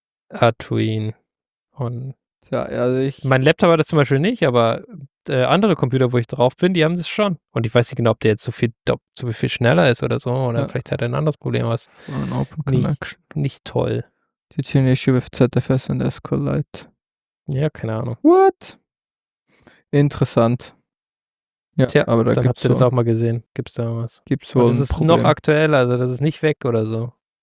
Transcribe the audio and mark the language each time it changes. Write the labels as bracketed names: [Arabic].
[German] Atuin. Und tja, also ich. Mein Laptop hat das zum Beispiel nicht, aber andere Computer, wo ich drauf bin, die haben das schon. Und ich weiß nicht genau, ob der jetzt so viel schneller ist oder so. Oder vielleicht hat er ein anderes Problem, was nicht toll. [English] Did you have an issue with ZFS and SQLite? [German] Ja, keine Ahnung. [English] What? [German] Interessant. Ja, tja, aber da dann habt ihr das auch mal gesehen. Gibt's da was? Gibt's wohl. Das ist Problem. Noch aktuell, also das ist nicht weg oder so.